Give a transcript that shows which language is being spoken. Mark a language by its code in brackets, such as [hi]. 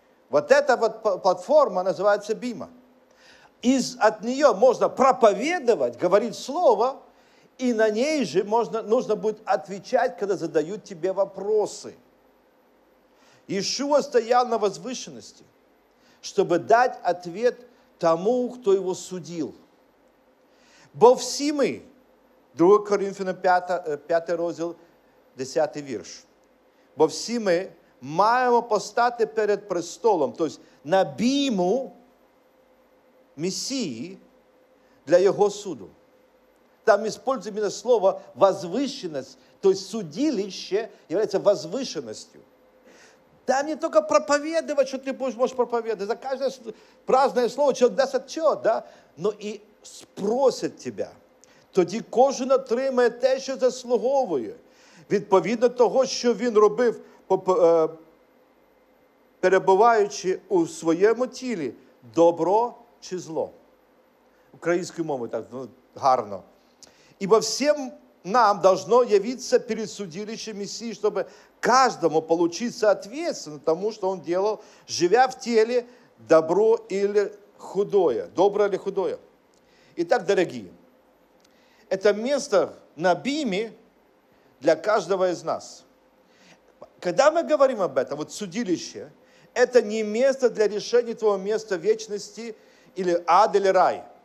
[ru] Вот эта вот платформа называется Бима. От нее можно проповедовать, говорить слово, и на ней же нужно будет отвечать, когда задают тебе вопросы. Иешуа стоял на возвышенности, чтобы дать ответ тому, кто его судил. [uk] Бо все мы, 2 Коринфянам 5 раздел, 10 вірш, бо все мы маємо постати перед престолом, [ru] то есть [uk] на біму Месії для Його суду. [ru] Там используем именно слово возвышенность, то есть судилище является возвышенностью. Там не только проповедовать, что ты можешь проповедовать, за каждое праздное слово человек даст отчет, да, но и спросят тебя. [uk] Тоді кожен отримає те, що заслуговує. Відповідно того, що він робив, перебуваючи у своєму тілі, добро чи зло. Українською мовою так гарно. Ібо всім нам [ru] должно явиться перед судилищем [uk] Месії, щоб кожному получиться відповідальність тому, що він делав, живя в тілі, [ru] добро или худое. Добро или худое. Итак, дорогие, это место на Биме для каждого из нас. Когда мы говорим об этом, вот судилище, это не место для решения твоего места вечности или ад или рай.